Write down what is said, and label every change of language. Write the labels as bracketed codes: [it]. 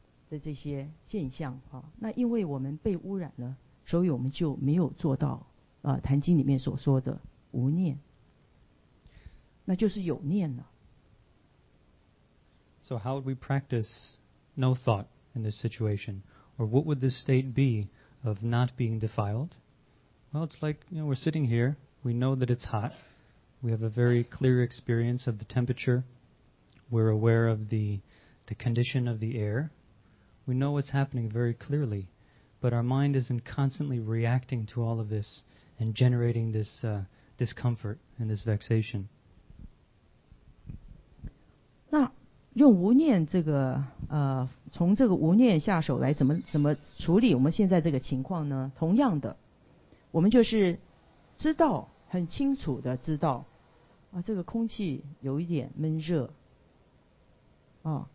[zh] 的这些现象啊，那因为我们被污染了，所以我们就没有做到《坛经》里面所说的无念，那就是有念了。 [en] So how would we practice no thought in this situation, or what would the state be of not being defiled? Well, it's like, you know, we're sitting here. We know that it's hot. We have a very clear experience of the temperature. We're aware of the condition of the air. We know what's happening very clearly, but our mind isn't constantly reacting to all of this and generating this discomfort and this vexation. [zh] 那用无念这个从这个无念下手来怎么处理我们现在这个情况呢？同样的，我们就是知道很清楚的知道啊，这个空气有一点闷热啊。